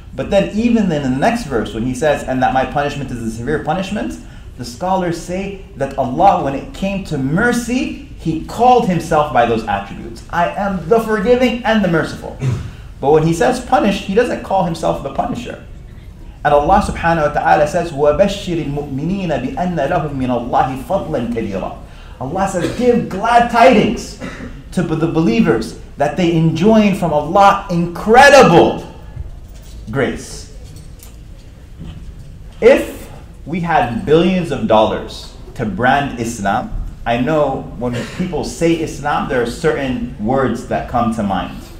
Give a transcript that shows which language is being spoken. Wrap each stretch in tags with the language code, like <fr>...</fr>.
<en>But then even then in the next verse, when he says, and that my punishment is a severe punishment, the scholars say that Allah, when it came to mercy, he called himself by those attributes. I am the forgiving and the merciful. But when he says punished, he doesn't call himself the punisher. And Allah subhanahu wa ta'ala says,</en> <ar>وَبَشِّرِ الْمُؤْمِنِينَ بِأَنَّ لَهُمْ مِنَ اللَّهِ فَضْلًا كَبِيرًا.</ar> <en>Allah says, give glad tidings to the believers that they enjoin from Allah incredible grace. If we had billions of dollars to brand Islam, I know when people say Islam, there are certain words that come to mind.</en>